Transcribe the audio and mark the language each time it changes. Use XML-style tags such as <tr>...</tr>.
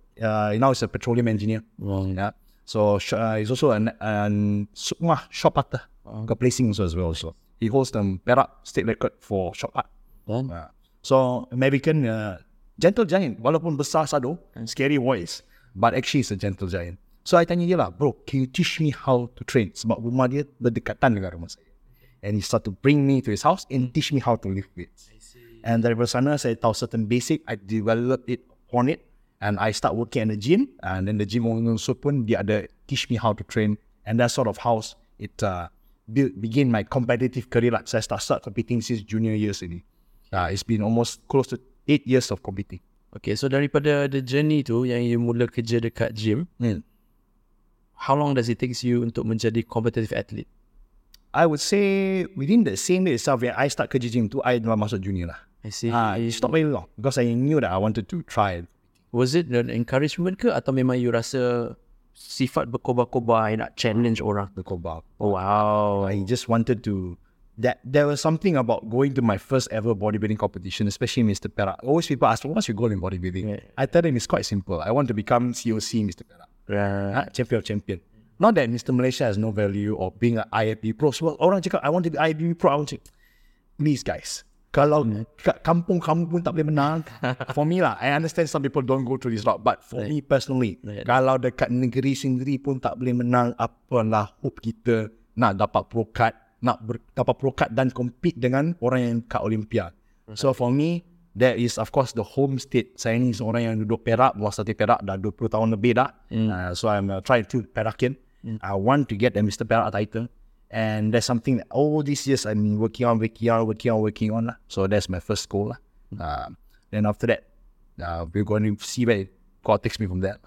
<en>Now he's a petroleum engineer. Yeah. So he's also an sumah shot putter. Got placing also as well. So he holds the Perak state record for shot putt. So American gentle giant,</en> <ms>walaupun besar sado,</ms> <en>scary voice, but actually he's a gentle giant. So I</en> <ms>tanya dia lah,</ms> <en>bro, can you teach me how to train?</en> <ms>Sebab rumah dia berdekatan dengan rumah saya.</ms> <en>And he start to bring me to his house and teach me how to lift weights.</en> <ms>And dari sana saya tahu</ms> <en>certain basic. I develop it on it. And I start working in the gym, and then the gym also</en> <ms>pun dia ada</ms> <en>teach me how to train, and that sort of how it begin my competitive career. Like, so I start competing since junior years ini. It's been almost close to 8 years of competing. Okay, so daripada the journey tu yang you</en> <ms>mula kerja dekat</ms> <en>gym, how long does it takes you</en> <ms>untuk menjadi</ms> <en>competitive athlete? I would say within the same day itself, when I start</en> <ms>kerja gym tu,</ms> <en>I</en> <ms>dah masuk</ms> <en>junior lah. I see. It's not very long because I knew that I wanted to try. Was it an encouragement</en> <ms>ke atau memang you rasa sifat berkobar-kobar yang nak challenge orang? Berkobar.</ms> <en>Oh, wow. I just wanted to... There was something about going to my first ever bodybuilding competition, especially Mr. Perak. Always people ask, what's your goal in bodybuilding? Yeah. I tell them it's quite simple. I want to become COC Mr. Perak. Yeah. Champion of champion. Not that Mr. Malaysia has no value or being an IFBB pro. So, orang cakap, I want to be IFBB pro. I want to... Please, guys.</en> <ms>Kalau kampung kamu pun tak boleh menang.</ms> <en>For me lah, I understand some people don't go through this route, but for me personally,</en> <ms>kalau dekat negeri sendiri pun tak boleh menang, apalah hope kita nak dapat pro card, nak dapat pro card dan compete dengan orang yang kat</ms> <en>Olympia. So for me, that is of course the home state.</en> <ms>Saya ni seorang yang duduk Perak, luar satu Perak dah 20 tahun lebih dah.</ms> <en>So I'm trying to Perakin. I want to get the Mr. Perak title. And that's something that all these years I've been working on. Lah. So that's my first goal. Lah. Then after that, we're going to see where God takes me from that.</en>